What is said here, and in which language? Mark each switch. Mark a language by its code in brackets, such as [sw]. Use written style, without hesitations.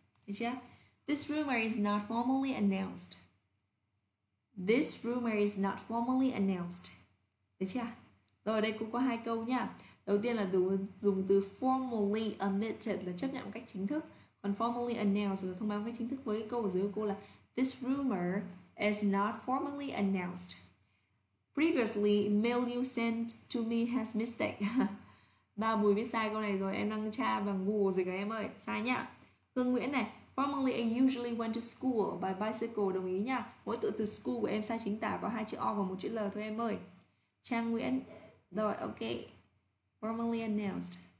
[vi] Được chưa? [en] This rumor is not formally announced. This rumor is not formally announced. Được chưa? [vi] Rồi đây cũng có hai câu nha. Đầu tiên là dùng từ formally admitted là chấp nhận một cách chính thức, còn formally announced là thông báo một cách chính thức, với câu ở dưới của cô là [en] this rumor is not formally announced. Previously, mail you sent to me has mistake. [vi] Ba Bùi viết sai câu này rồi, em đang tra bằng Google rồi cả em ơi. Sai nhá. [en] Hương Nguyễn này, formerly I usually went to school by bicycle, [vi] đồng ý nhá. Mỗi tự từ school của em sai chính tả, có hai chữ O và một chữ L thôi em ơi. Trang Nguyễn. Rồi ok. Formerly announced.